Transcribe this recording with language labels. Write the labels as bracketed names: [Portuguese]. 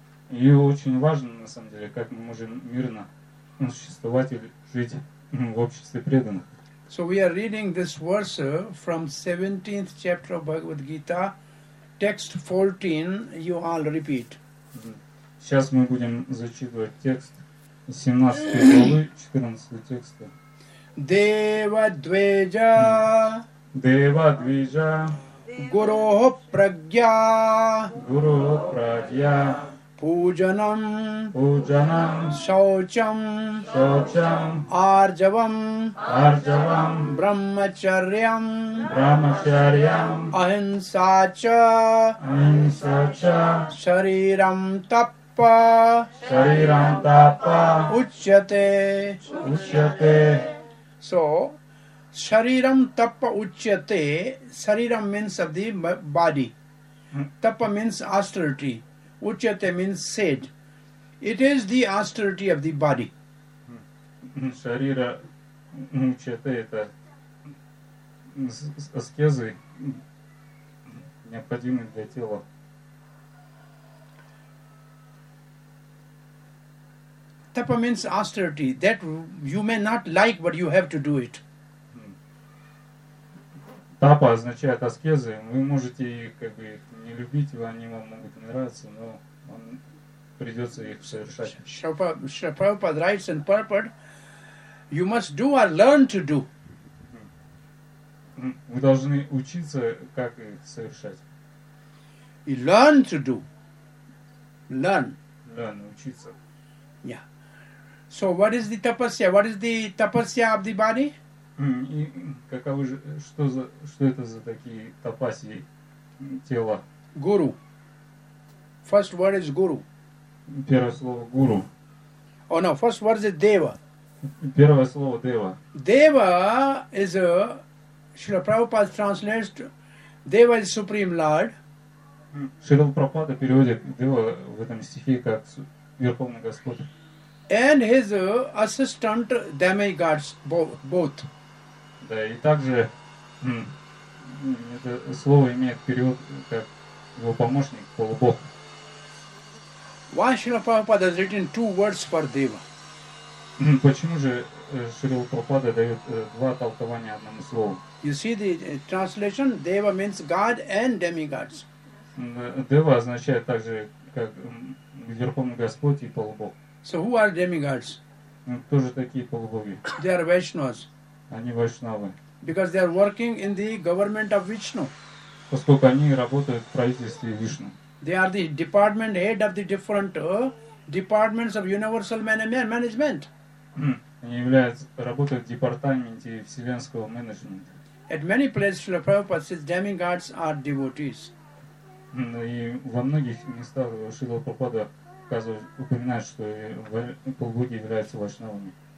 [Russian] И очень важно, на самом деле, как мы можем мирно существовать или жить в обществе преданных. [English] So we are reading this verse from 17th chapter of Bhagavad Gita, text 14. You all repeat. [Russian] Сейчас мы будем зачитывать текст 17 главы, 14 текста. [Sanskrit] Девадвиджа. Девадвиджа. Гуру-прагья. Гуру-прагья. Пуджанам. Пуджанам. Шаучам. Шаучам. Арджавам. Арджавам. Брахмачарьям. Брахмачарьям. Ахинсача. Ахинсача. Шарирам тап. Шарирам тапа. Учьяте. Учьяте. So, шарирам тапа учьяте. [English] Шарирам means of the body. Тапа means austerity. Учьяте means said. It is the austerity of the body. [Sanskrit] Шарира учьяте [Russian] — это аскезы, необходимые для тела. [English] Tapa means austerity, that you may not like, but you have to do it. [Russian] Tapa означает аскезы. Вы можете их как бы не любить, они вам могут нравиться, но вам придется их совершать. [English] Prabhupada writes in purport, you must do or learn to do. [Russian] Вы должны учиться, как их совершать. [English] You learn to do. Learn. Learn, учиться. Yeah. So what is the tapasya? What is the tapasya of the body? [Russian] Каковы же, что это за такие тапаси тела? [English] Guru. First word is guru. [Russian] Первое слово guru. [English] Oh no, first word is deva. [Russian] Первое слово deva. [English] Deva is a, Srila Prabhupada translates, deva is supreme lord. [Russian] Srila Prabhupada переводит deva в этом стихе как верховный господь. [English] And his assistant demigods both. [Russian] Да, и также это слово имеет перевод как его помощник, полубог. [English] Why Srila Prabhupada has written two words for deva? [Russian] Почему же Srila Prabhupada дает два толкования одному слову? [English] You see the translation, deva means god and demigods. [Russian] Deva означает также как верховный господь и полубог. [English] So who are demigods? [Russian] Тоже такие полубоги. [English] They are Vaishnavas. [Russian] Они вайшнавы. [English] Because they are working in the government of Vishnu. [Russian] Поскольку они работают в правительстве Вишну. [English] They are the department head of the different departments of universal management. [Russian] Они являются, работают в департаменте вселенского менеджмента. [English] At many places, Srila Prabhupada says, demigods are devotees. [Russian] И во многих местах Шрила Прабхупада упоминает, что полубоги являются вайшнавами.